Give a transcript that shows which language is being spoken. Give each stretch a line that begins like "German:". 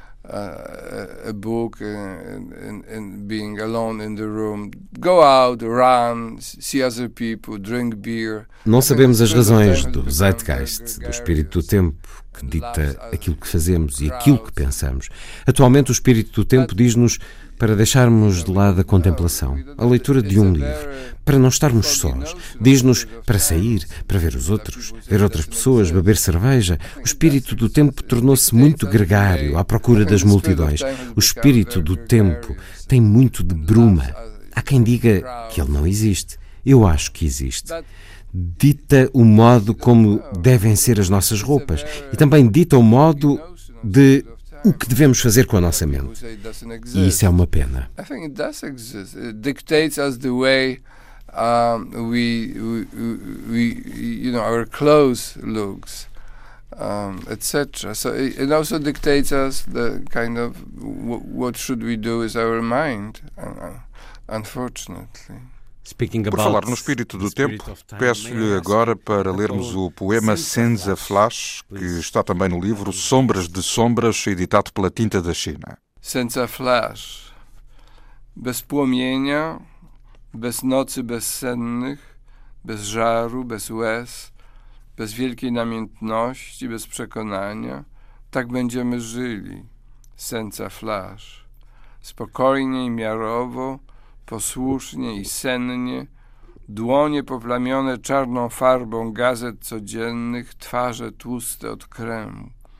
English: A book and being alone in the room. Go out, run, see other people, drink beer.
Portuguese: Não sabemos as razões do zeitgeist, do espírito do tempo, que dita aquilo que fazemos e aquilo que pensamos. Atualmente, o espírito do tempo diz-nos para deixarmos de lado a contemplação, a leitura de um livro, para não estarmos sós. Diz-nos para sair, para ver os outros, ver outras pessoas, beber cerveja. O espírito do tempo tornou-se muito gregário à procura das multidões. O espírito do tempo tem muito de bruma. Há quem diga que ele não existe. Eu acho que existe. Dita o modo como devem ser as nossas roupas e também dita o modo de o que devemos fazer com a nossa mente. E isso é uma pena.
English: I think it does exist. It dictates us the way we you know our clothes looks etc. So it also dictates us the kind of what should we do with our mind unfortunately.
Portuguese: Por falar no espírito do tempo, peço-lhe agora para lermos o poema Sands of Flash, que está também no livro Sombras de Sombras, editado pela Tinta da China.
English: Sands of Flash.
Polish: Bez płomienia, bez nocy bezsennych, bez żaru, bez łez, bez wielkiej namiętności, bez przekonania, tak będziemy żyli. Sands of Flash. Spokojnie i miarowo, posłusznie i sennie, dłonie poplamione czarną farbą gazet codziennych, twarze tłuste od kremu.